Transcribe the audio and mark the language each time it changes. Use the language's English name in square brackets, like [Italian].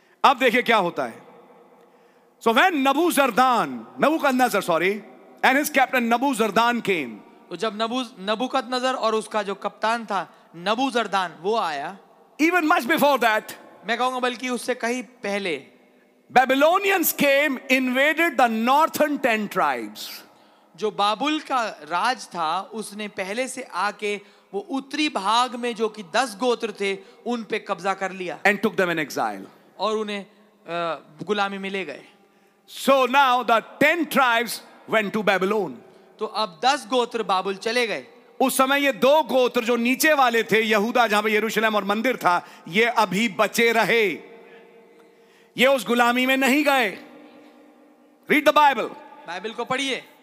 [Hindi] अब देखिए क्या होता है। [English] So when Nabuchadnezzar [Hindi] और उसका जो कप्तान था Nabuchadnezzar, वो आया, [English] even much before that, [Hindi] मैं कहूंगा बल्कि उससे कहीं पहले, [English] Babylonians came, invaded the northern 10 tribes, [Hindi] जो बाबुल का राज था उसने पहले से आके वो उत्तरी भाग में जो कि 10 गोत्र थे उन पे कब्जा कर लिया, [English] and took them in exile, [Hindi] और उन्हें गुलामी में ले गए। [English] So now the 10 tribes went to Babylon. [Hindi] तो अब 10 गोत्र बाबुल चले गए। उस समय ये दो गोत्र जो नीचे वाले थे, यहूदा जहां पर यरूशलेम और मंदिर था, ये अभी बचे रहे, ये उस गुलामी में नहीं गए. [English] read the Bible, [Hindi] बाइबल को पढ़िए.